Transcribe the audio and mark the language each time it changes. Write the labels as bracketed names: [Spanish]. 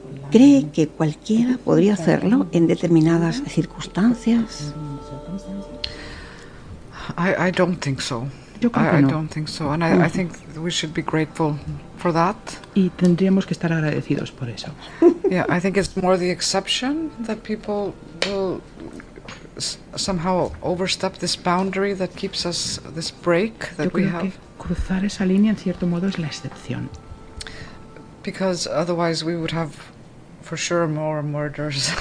[Spanish] ¿Cree que cualquiera podría hacerlo en determinadas circunstancias? [English] I don't think so. [Spanish] Yo creo que no. [English] I don't think so, and I think we should be grateful for that. [Spanish] Y tendríamos que estar agradecidos por eso. [English] Yeah, I think it's more the exception that people will somehow overstep this boundary that keeps us, this break that we have. [Spanish] Cruzar esa línea en cierto modo es la excepción. [English] Because otherwise we would have for sure more murders.